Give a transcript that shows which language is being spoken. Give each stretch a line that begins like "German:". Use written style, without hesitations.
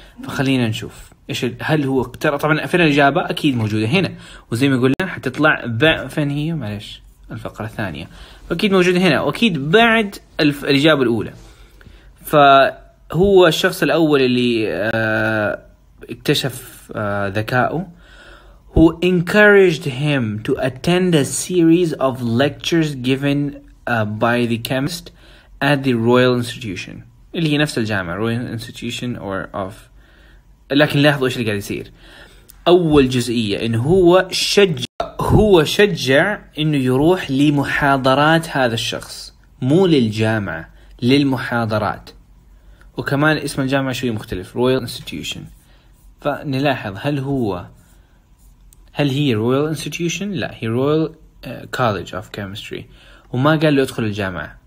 Arabic: فخلينا نشوف ايش هل هو اقترح. طبعا فين الاجابة؟ اكيد موجودة هنا، وزي ما قلنا حتطلع فين هي، معلش الفقرة الثانية، اكيد موجودة هنا واكيد بعد الاجابة الاولى. فهو الشخص الاول اللي اكتشف ذكائه.
English: Who encouraged him to attend a series of lectures given by the chemist at the Royal Institution.
Arabic: اللي هي نفس الجامعة Royal Institution or of. لكن لاحظوا إيش اللي قاعد يصير. أول جزئية إنه هو شجع إنه يروح لمحاضرات هذا الشخص، مو للجامعة، للمحاضرات. وكمان اسم الجامعة شوي مختلف Royal Institution. فنلاحظ هل هي Royal Institution؟ لا، هي Royal College of Chemistry، وما قال له ادخل الجامعة.